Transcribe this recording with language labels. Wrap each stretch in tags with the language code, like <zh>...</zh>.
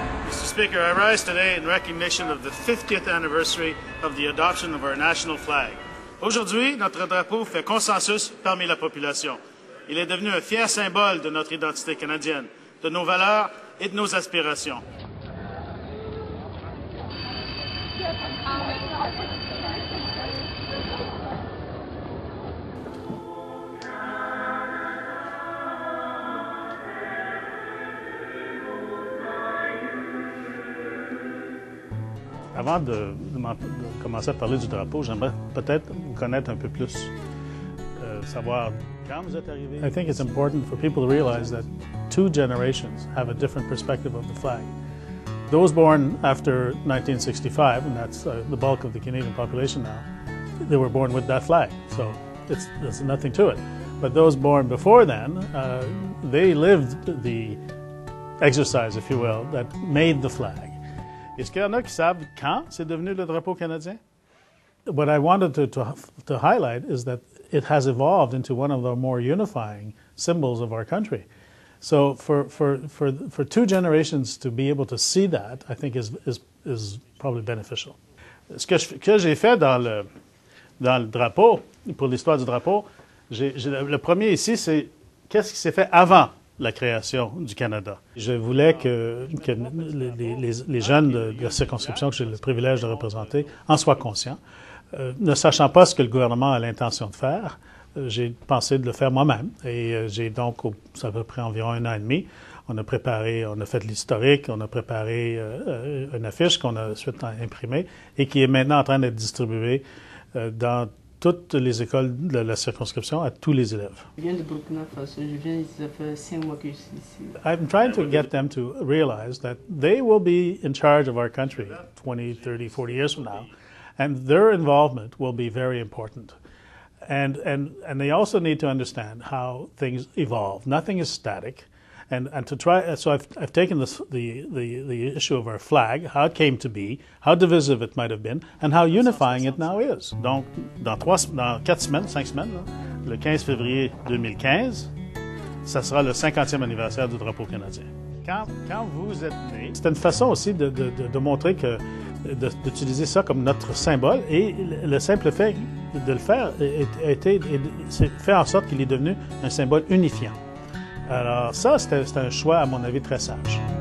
<en>Speaker, I rise today in recognition of the 50th anniversary of the adoption of our national flag.</en> <fr>Aujourd'hui, notre drapeau fait consensus parmi la population. Il est devenu un fier symbole de notre identité canadienne, de nos valeurs et de nos aspirations. Avant de commencer à parler du drapeau, j'aimerais peut-être vous connaître un peu plus, savoir quand vous êtes arrivé.</fr> <en>I think it's important for people to realize that two generations have a different perspective of the flag. Those born after 1965, and that's the bulk of the Canadian population now, they were born with that flag, so there's nothing to it. But those born before then, they lived the exercise, if you will, that made the flag.</en> <fr>Est-ce qu'il y en a qui savent quand c'est devenu le drapeau canadien?</fr> <en>What I wanted to highlight is that it has evolved into one of the more unifying symbols of our country. So for two generations to be able to see that, I think is probably beneficial.</en> <fr>Ce que j'ai fait dans le drapeau, pour l'histoire du drapeau, le premier ici, c'est qu'est-ce qui s'est fait avant la création du Canada. Je voulais que les jeunes de la circonscription que j'ai le privilège de représenter en soient conscients. Ne sachant pas ce que le gouvernement a l'intention de faire, j'ai pensé de le faire moi-même. Et j'ai donc, ça a pris environ un an et demi, on a fait de l'historique, on a préparé une affiche qu'on a ensuite imprimée et qui est maintenant en train d'être distribuée dans toutes les écoles de la circonscription à tous les élèves. Je viens de Burkina Faso, je viens, ça fait 5 mois que je suis ici.</fr> <en>I'm trying to get them to realize that they will be in charge of our country 20, 30, 40 years from now, and their involvement will be very important. And they also need to understand how things evolve. Nothing is static. And to try, so I've taken the issue of our flag, how it came to be, how divisive it might have been, and how unifying it now is.</en> <fr>Donc, dans cinq semaines, le 15 février 2015, ça sera le 50e anniversaire du drapeau canadien. Quand vous êtes né, c'était une façon aussi de montrer que, d'utiliser ça comme notre symbole, et le simple fait de le faire c'est fait en sorte qu'il est devenu un symbole unifiant. Alors ça, c'était un choix, à mon avis, très sage.</fr>